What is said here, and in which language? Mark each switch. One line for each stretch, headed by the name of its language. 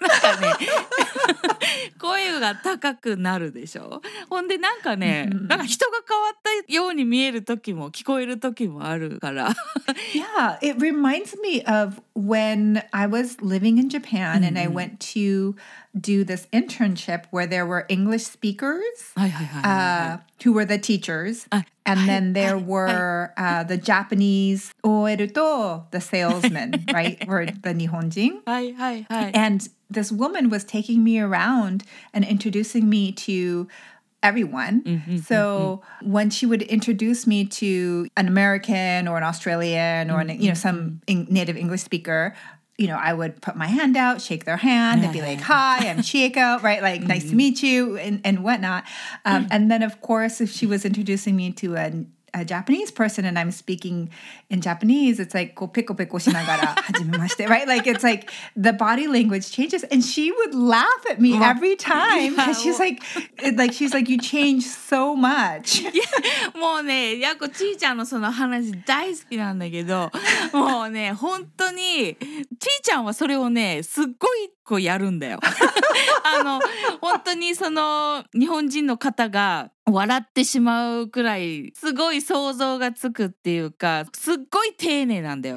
Japanese: なんかね声が高くなるでしょ。ほんでなんかね、なんか人が変わったように見える時も聞こえる時もあるから。
English: Yeah, it reminds me of when I was living in Japan and I went to do this internship where there were English speakers who were the teachers. And then there were the Japanese OL to the salesman, right? Were the Nihonjin. And this woman was taking me around and introducing me to... everyone. Mm-hmm, so mm-hmm. when she would introduce me to an American or an Australian or mm-hmm. an, you know, some native English speaker, you know, I would put my hand out, shake their hand and be like, hi, I'm Chieko, right? Like, nice to meet you and whatnot. And then, of course, if she was introducing me to a Japanese person and I'm speaking in Japanese, it's like,
Japanese: こうピコピコしながら始めまして,
English: right? Like, it's like the body language changes. And she would laugh at me every time. Because she's like, she's like, you change so much.
Japanese: Yeah, もうね、やこちーちゃんのその話大好きなんだけど、もうね、本当にちーちゃんはそれをね、すっごいこうやるんだよ。あの、本当にその日本人の方が笑ってしまうくらいすごい想像がつくっていうか、すっごい丁寧なんだよ。